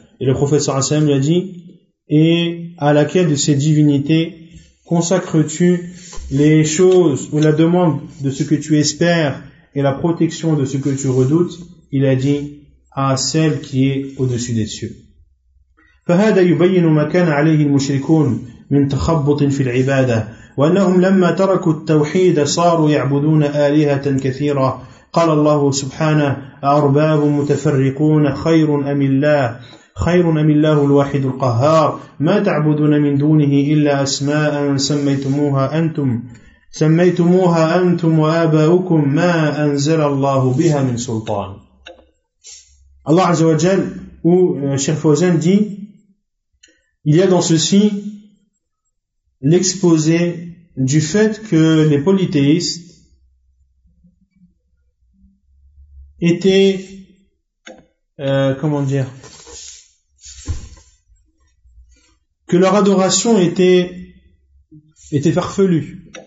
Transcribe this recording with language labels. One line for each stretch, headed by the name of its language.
French: Et le prophète sallallahu alayhi wa sallam l'a dit, et à laquelle de ces divinités consacres-tu les choses ou la demande de ce que tu espères et la protection de ce que tu redoutes? Il a dit, à celle qui est au-dessus des cieux.
Arabic: فَهَذَا يُبَيِّنُ مَا كَانَ عَلَيْهِ الْمُشْرِكُونَ مِنْ تَخَبُّطٍ فِي الْعِبَادَةِ وَأَنَّهُمْ لَمَّا تَرَكُوا التَّوْحِيدَ صَارُوا يَعْبُدُونَ آلِهَةً كَثِيرَةً قال الله سبحانه أرباب متفرقون خير أم الله خير أم الله الواحد القهار ما تعبدون من دونه إلا أسماء سميتموها أنتم وآباؤكم ما أنزل الله بها من سلطان. الله عز وجل و شيخ فوزان دي
French: il y a dans ceci l'exposé du fait que les polythéistes que leur adoration était farfelue.